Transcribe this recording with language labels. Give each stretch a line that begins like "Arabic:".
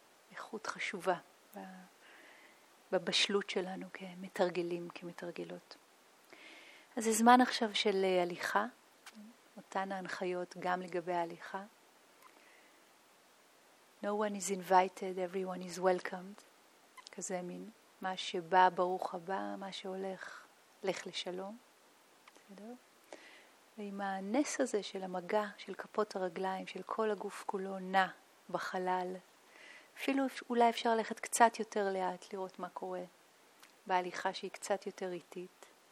Hebrew: איכות חשובה בבשלות שלנו כמתרגלים, כמתרגלות. אז זה זמן עכשיו של הליכה, אותן ההנחיות גם לגבי ההליכה.
English: No one is invited, everyone is welcomed.
Hebrew: כזה מין, מה שבא, ברוך הבא, מה שהולך, לך לשלום. בסדר? ועם הנס הזה של המגע, של כפות הרגליים, של כל הגוף כולו נע בחלל, אפילו אולי אפשר ללכת קצת יותר לאט, לראות מה קורה בהליכה שהיא קצת יותר איטית.